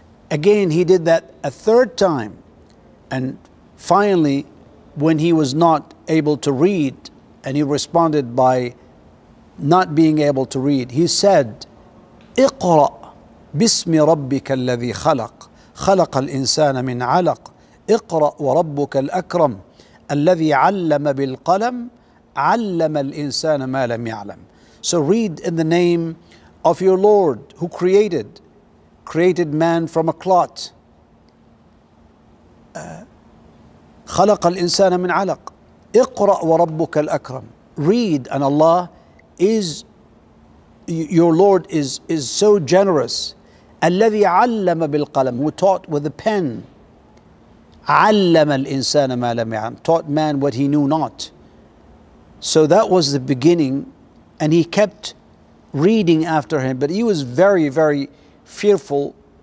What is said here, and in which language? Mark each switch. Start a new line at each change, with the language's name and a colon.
English: Again, he did that a third time. And finally, when he was not able to read, and he responded by not being able to read, he said,
Arabic: اقرأ باسم ربك الذي خلق خلق الإنسان من علق اقرأ وربك الأكرم الذي علم بالقلم علم الإنسان ما لم يعلم.
English: So read in the name of your Lord who created man from a clot.
Arabic: خلق الإنسان من علق اقرأ وربك الأكرم.
English: Read, and Allah is your Lord is so generous.
Arabic: الذي علم بالقلم,
English: who taught with a pen.
Arabic: علم الإنسان ما لم يعلم,
English: taught man what he knew not. So that was the beginning, and he kept reading after him, but he was very, very fearful.